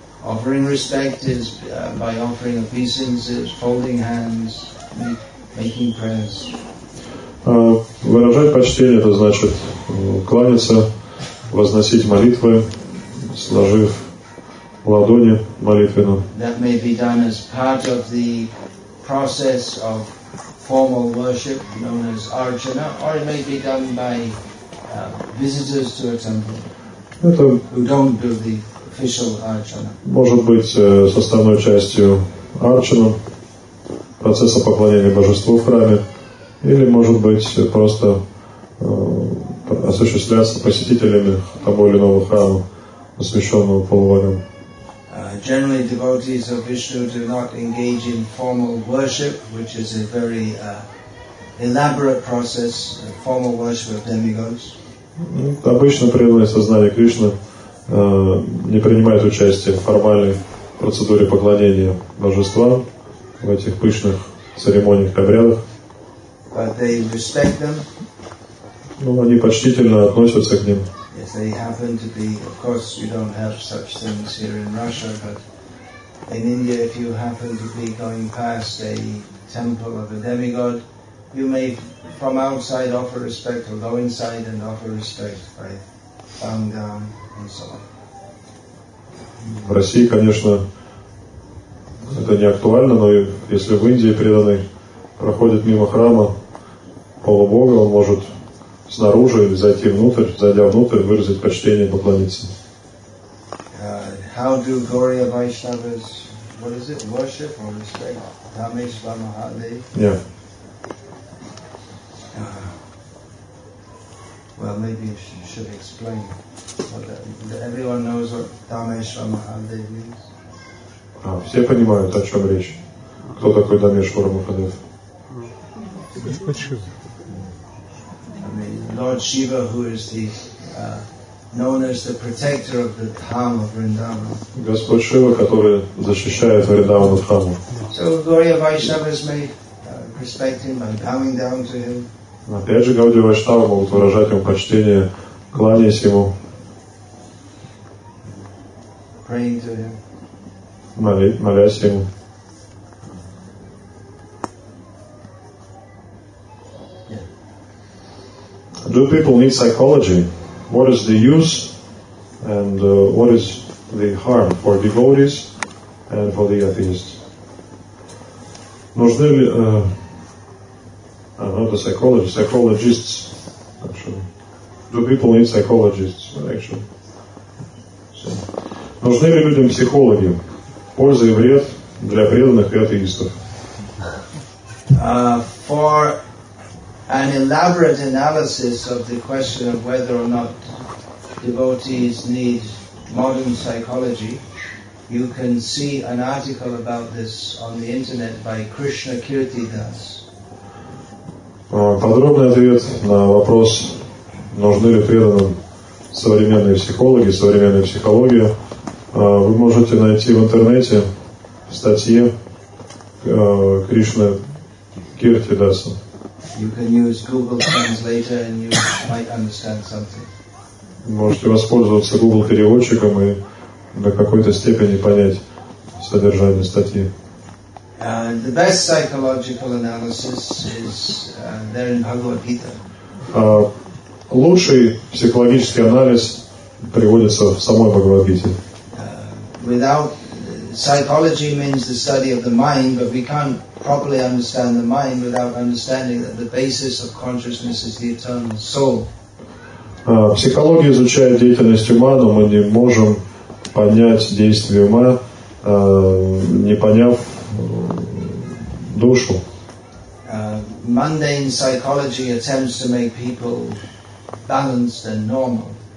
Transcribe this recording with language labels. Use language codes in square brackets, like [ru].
[en] Offering respect is by offering obeisances, folding hands, making prayers. [ru] Выражать почтение – это значит кланяться, возносить молитвы, сложив ладони молитвенно. [en] That may be done as part of the process of formal worship, known as archana, or it may be done by visitors to a temple who don't do the [ru] может быть составной частью арчана, процесса поклонения божеству в храме, или может быть просто осуществляться посетителями того или иного храма, посвященного полубогам. [en] Generally, devotees of Vishnu do not engage in formal worship, which is a very elaborate process, a formal worship of demigods. [ru] Обычно преданное сознание Кришны не принимает участие в формальной процедуре поклонения божества в этих пышных церемониях, обрядах. [en] But they respect them. [ru] Ну, они почтительно относятся к ним. [en] If they happen to be, of course, you don't have such things here in Russia, but in India, if you happen to be going past a temple of a demigod, you may, from outside, offer respect, or go inside and offer respect by bowing down and so on. [ru] В России, конечно, это не актуально, но если в Индии преданный проходит мимо храма полубога, он может снаружи или зайти внутрь, зайдя внутрь, выразить почтение и поклониться. [en] How do Gaurīya Vaiṣṇavas, what is it, worship or respect Dhameshwar Mahadev? Well, maybe you should explain. Everyone knows what Dhameshwar Mahadev means. [ru] Все понимают, о чем речь. Кто такой Дамешвар Махадев? [en] I mean, Lord Shiva, who is the known as the protector of the Dham of Vrindavan. [ru] Господь Шива, который защищает Вриндаван от храма. [en] So Gaurīya Vaiṣṇavas may respect him by bowing down to him. [ru] Опять же, Гаудия Вайшнава могут выражать ему почтение, кланяясь ему. [en] Praying to him. [ru] Молясь ему. [en] Do people need psychology? What is the use and what is the harm for devotees and for the atheists? [ru] Нужны ли [en] psychologists actually. Do people need psychologists actually? So. [ru] Нужны ли людям психологи? Польза и вред для преданных и атеистов? [en] For an elaborate analysis of the question of whether or not devotees need modern psychology, you can see an article about this on the internet by Krishna Kirti Das. [ru] Подробный ответ на вопрос, нужны ли преданным современные психологи, современная психология, вы можете найти в интернете в статье Кришны Кирти Даса. [en] You can use Google Translator and you might understand something. [ru] Можете воспользоваться Google переводчиком и до какой-то степени понять содержание статьи. [en] The best psychological analysis is there in Bhagavad Gita. [ru] Лучший психологический анализ приводится в самой Бхагавад Гите. [en] Without psychology means the study of the mind, but we can't properly understand the mind without understanding that the basis of consciousness is the eternal soul. [ru] Психология изучает деятельность ума, но мы не можем понять действие ума, не поняв душу. [en] Mundane psychology attempts to make people balanced and normal.